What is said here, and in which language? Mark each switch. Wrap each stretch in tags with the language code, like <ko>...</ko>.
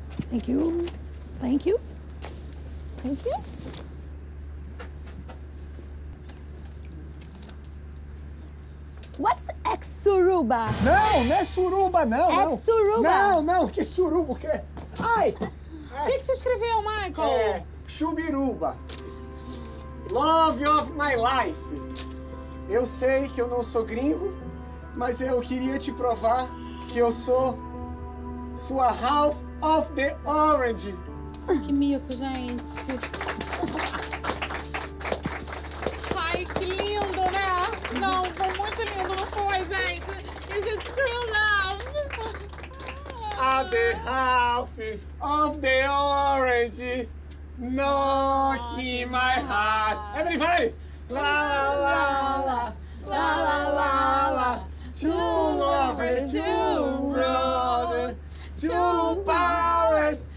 <en>Thank you. Thank you. Thank you. What's ex-suruba?</en> <pt>Não, não é suruba, não. Ex-suruba. Não, que suruba, o quê? Ai! O que você escreveu, Michael? É.</pt> <en>Chubiruba, love of my life.</en> <pt>Eu sei que eu não sou gringo, mas eu queria te provar que eu sou sua</pt> <en>half of the orange.</en> <pt>Que mico, gente. Ai, que lindo, né? Não, foi muito lindo, não foi, gente?</pt> <en>Is it true love? I'm the half of the orange. Knock in my heart. Everybody! La la la, la la la la. Two lovers, two brothers, two powers.</en>